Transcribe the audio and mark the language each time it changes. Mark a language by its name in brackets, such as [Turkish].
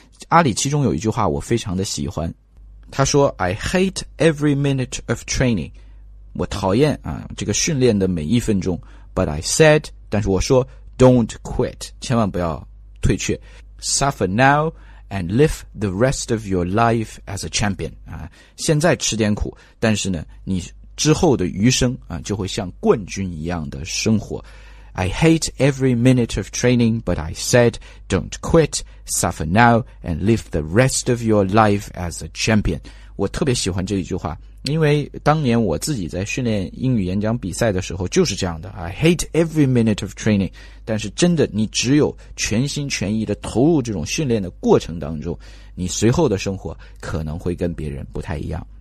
[Chinese] 阿里其中有一句话我非常的喜欢，他说 [English] I hate every minute of training， [Chinese] 我讨厌啊这个训练的每一分钟， [English] but I said， [Chinese] 但是我说 [English] don't quit， [Chinese] 千万不要退却， [English] suffer now and live the rest of your life as a champion， [Chinese] 啊现在吃点苦，但是呢你之后的余生啊就会像冠军一样的生活。 [English] I hate every minute of training， but I said don't quit， suffer now and live the rest of your life as a champion。 [Chinese] 我特别喜欢这一句话，因为当年我自己在训练英语演讲比赛的时候就是这样的， [English] I hate every minute of training， [Chinese] 但是真的你只有全心全意的投入这种训练的过程当中，你随后的生活可能会跟别人不太一样。